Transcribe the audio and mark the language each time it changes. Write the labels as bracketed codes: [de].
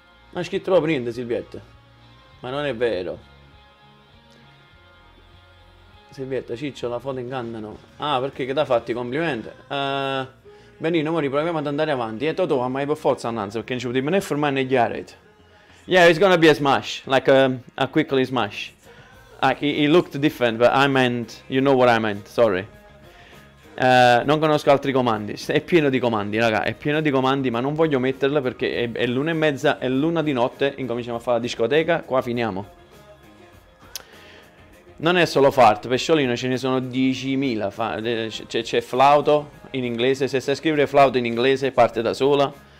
[it] Non ha scritto proprio niente, Silvietta. Ma non è vero. Silvietta, Ciccio, la foto ingannano. Ah, perché che t'ha fatti i complimenti? Benino, ora riproviamo ad andare avanti. E Toto, ma è per forza andanza, perché non ci potremmo né fermare né chiare. [en] Yeah, it's gonna be a smash. Like a quickly smash. Like, it looked different, but I meant, you know what I meant, sorry. [it] Non conosco altri comandi. È pieno di comandi, raga. È pieno di comandi, ma non voglio metterla perché è l'una e mezza, è l'una di notte. Incominciamo a fare la discoteca. Qua finiamo. Non è solo fart, pesciolino, ce ne sono 10.000. C'è flauto in inglese. Se sai scrivere flauto in inglese, parte da sola.